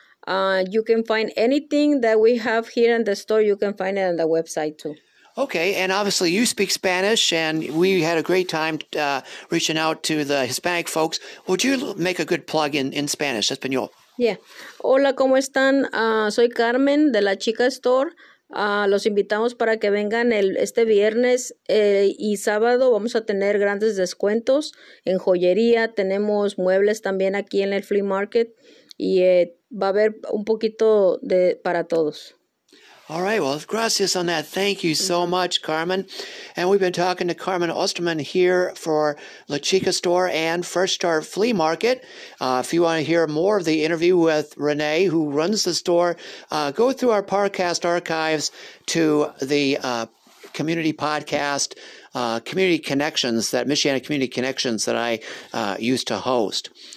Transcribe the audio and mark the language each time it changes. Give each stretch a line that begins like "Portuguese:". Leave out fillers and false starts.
English: You can find anything that we have here in the store, you can find it on the website too. Okay, and obviously you speak Spanish, and we had a great time reaching out to the Hispanic folks. Would you make a good plug in Spanish, Espanol?
Spanish: Yeah. Hola, ¿cómo están? Soy Carmen de La Chica Store. Los invitamos para que vengan este viernes y sábado. Vamos a tener grandes descuentos en joyería. Tenemos muebles también aquí en el flea market. Y va a haber un poquito de para todos.
English: All right, well, gracias on that. Thank you so much, Carmen. And we've been talking to Carmen Osterman here for La Chica Store and Fresh Start Flea Market. If you want to hear more of the interview with Renee, who runs the store, go through our podcast archives to the community podcast, Community Connections, that Michiana Community Connections that I used to host.